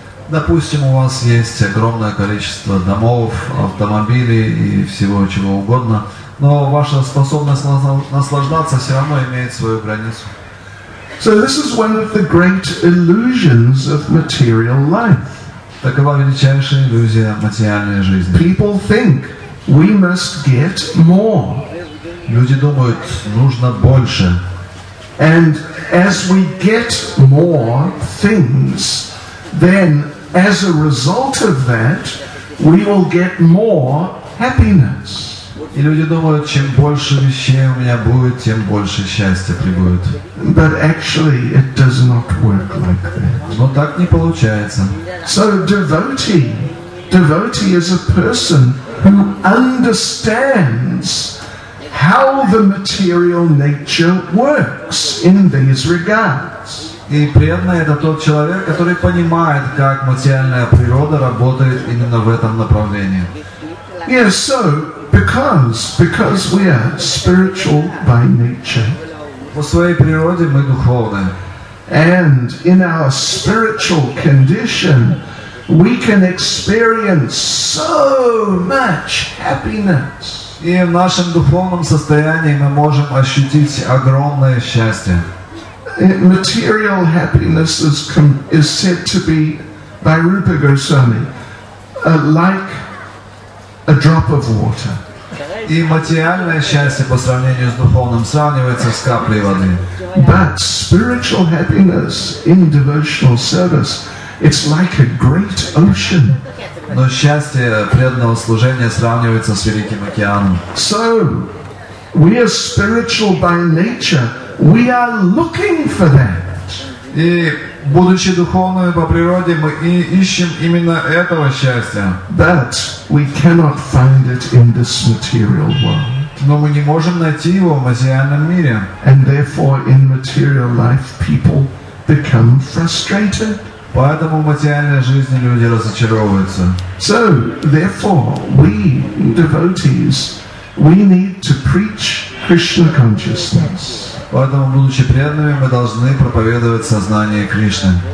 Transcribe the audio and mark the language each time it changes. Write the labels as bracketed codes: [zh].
[ru] Допустим, у вас есть огромное количество домов, автомобилей и всего чего угодно, но ваша способность наслаждаться все равно имеет свою границу. [en] So this is one of the great illusions of material life. [ru] Такова величайшая иллюзия материальной жизни. [en] People think we must get more. [ru] Люди думают, нужно больше. [en] And as we get more things, then as a result of that, we will get more happiness. [ru] И люди думают, чем больше вещей у меня будет, тем больше счастья прибудет. [en] But actually, it does not work like that. [ru] Но так не получается. [en] So devotee is a person who understands how the material nature works in these regards. [ru] И преданный это тот человек, который понимает, как материальная природа работает именно в этом направлении. [en] Yes, so because we are spiritual by nature. [ru] По своей природе мы духовны. [en] And in our spiritual condition, we can experience so much happiness. [ru] И в нашем духовном состоянии мы можем ощутить огромное счастье. [en] Material happiness is said to be by Rupa Goswami like a drop of water. [ru] И материальное счастье по сравнению с духовным сравнивается с каплей воды. [en] But spiritual happiness in devotional service, it's like a great ocean. [ru] Но счастье преданного служения сравнивается с великим океаном. [en] So we are spiritual by nature. We are looking for that. [ru] И будучи духовными по природе, мы и ищем именно этого счастья. [en] But we cannot find it in this material world. [ru] Но мы не можем найти его в материальном мире. [en] And therefore, in material life, people become frustrated. [ru] Поэтому в материальной жизни люди разочаровываются. [en] So, therefore, we devotees, we need to preach Krishna consciousness. [ru] Поэтому, будучи преданными, мы должны проповедовать сознание Кришны.